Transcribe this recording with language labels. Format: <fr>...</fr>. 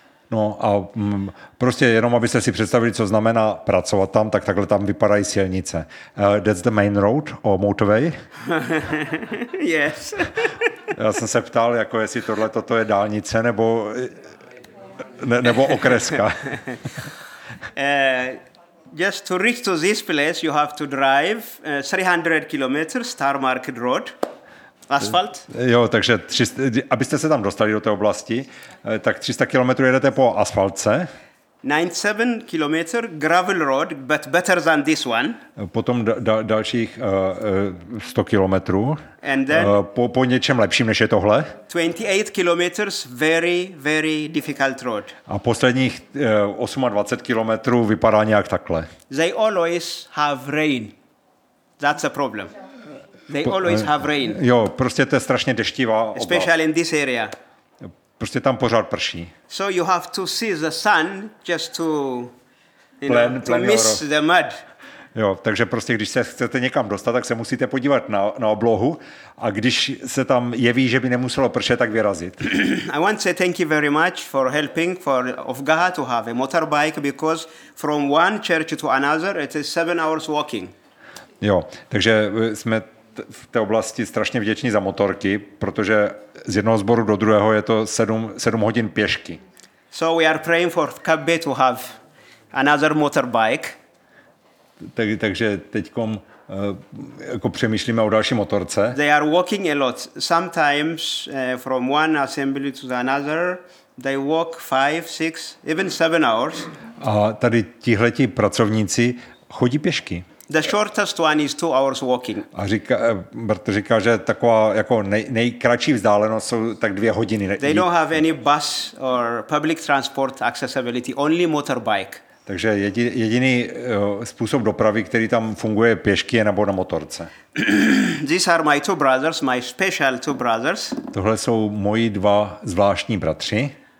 <cs>No a prostě jenom, abyste si představili, co znamená pracovat tam, tak takhle tam vypadají silnice.</cs> <en>That's the main road or motorway? Yes.</en> <cs>Já jsem se ptal, jako jestli tohle toto je dálnice nebo okreska.</cs> <en>Just to reach to this place, you have to drive 300 kilometers, Star Market Road.</en> <cs>Asfalt? Jo, takže abyste se tam dostali do té oblasti, tak 300 kilometrů jedete po asfaltce.</cs> <en>97 kilometr gravel road, but better than this one.</en> <cs>Potom dalších 100 kilometrů.</cs> <en>And then</en> <cs>po něčem lepším, než je tohle.</cs> <en>28 kilometers very, very difficult road.</en> <cs>A posledních 28 kilometrů vypadá nějak takhle.</cs> <en>They always have rain. That's a problem. They always have rain.</en> <cs>Jo, prostě to je strašně deštivá oblast.</cs> <en>Especially in this area.</en> <cs>Prostě tam pořád prší.</cs> <en>So you have to see the sun just to, you plen, know, to plen miss euro. The mud.</en> <cs>Jo, takže prostě, když se chcete někam dostat, tak se musíte podívat na oblohu, a když se tam jeví, že by nemuselo pršet, tak vyrazit.</cs> <en>I want to say thank you very much for helping for of Gaha to have a motorbike because from one church to another it is 7 hours walking.</en> <cs>Jo, takže jsme v té oblasti strašně vděční za motorky, protože z jednoho sboru do druhého je to 7 hodin pěšky.</cs> <en>So we are praying for Kabe to have another motorbike.</en> <cs>Takže teďkom jako přemýšlíme o další motorce.</cs> <en>They are walking a lot. Sometimes from one assembly to another, they walk 5, 6, even 7 hours.</en> <cs>A tady tihleti pracovníci chodí pěšky.</cs> <en>The shortest one is 2 hours walking.</en> <cs>A říká, že taková jako nejkratší vzdálenost jsou tak 2 hodiny.</cs> <en>They don't have any bus or public transport accessibility, only motorbike.</en> <cs>Takže jediný způsob dopravy, který tam funguje, pěšky nebo na motorce.</cs> <en>These are my 2 brothers, my special 2 brothers.</en> <cs>Tohle jsou moji 2 zvláštní bratři.</cs>